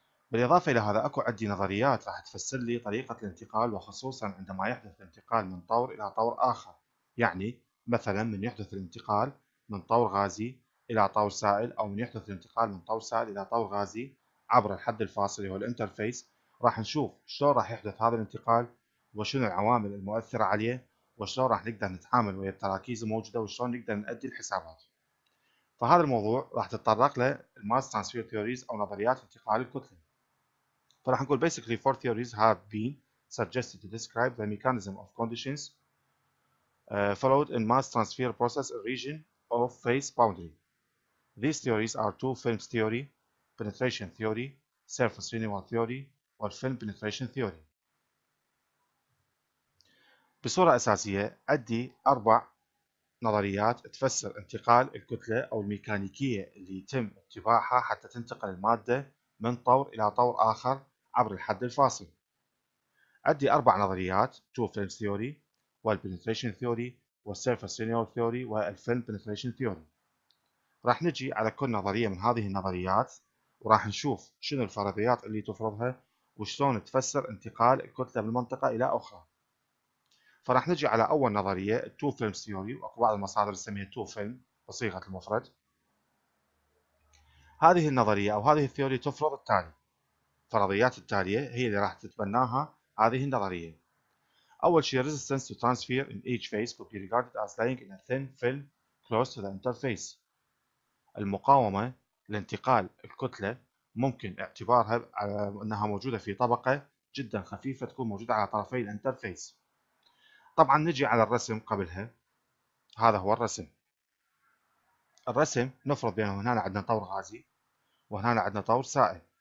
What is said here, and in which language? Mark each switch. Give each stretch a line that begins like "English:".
Arabic: بالإضافة إلى هذا، أكو عندي نظريات راح تفسر لي طريقة الانتقال، وخصوصا عندما يحدث الانتقال من طور إلى طور آخر، يعني مثلا من يحدث الانتقال من طور غازي إلى طور سائل، أو من يحدث الانتقال من طور سائل إلى طور غازي عبر الحد الفاصل اللي هو الانترفيس. راح نشوف شلون راح يحدث هذا الانتقال، وشنو العوامل المؤثرة عليه، وشلون راح نقدر نتعامل ويا التراكيز الموجودة، وشلون نقدر نأدي الحسابات. فهذا الموضوع راح تتطرق له الماس ترانسفير ثيوريز أو نظريات انتقال الكتلة. فراح نقول
English: basically four theories have been suggested to describe the mechanism of conditions followed in mass transfer process in region of phase boundary. These theories are two films theory, penetration theory, surface renewal theory, or film penetration theory.
Arabic: بصورة أساسية أدي أربع نظريات تفسر انتقال الكتلة أو الميكانيكية اللي يتم اتباعها حتى تنتقل المادة من طور إلى طور آخر عبر الحد الفاصل. عندي أربع نظريات:
English: two film theory، والpenetration theory، والsurface renewal theory، والfilm penetration theory.
Arabic: راح نجي على كل نظرية من هذه النظريات، وراح نشوف شنو الفرضيات اللي تفرضها، وشلون تفسر انتقال الكتلة من منطقة إلى أخرى. فراح نجي على أول نظرية two film theory، وأكو بعض المصادر تسميها two film بصيغة المفرد. هذه النظرية أو هذه الثيوري تفرض التالي. الفرضيات التالية هي اللي راح تتبناها هذه النظرية. أول شيء،
English: resistance to transfer in each phase could be regarded as lying in a thin film close to the interface.
Arabic: المقاومة لانتقال الكتلة ممكن اعتبارها على أنها موجودة في طبقة جدا خفيفة تكون موجودة على طرفي الانترفيس. طبعا نجي على الرسم قبلها. هذا هو الرسم. الرسم نفرض بأن هنا عندنا طور غازي، وهنا عندنا طور سائل.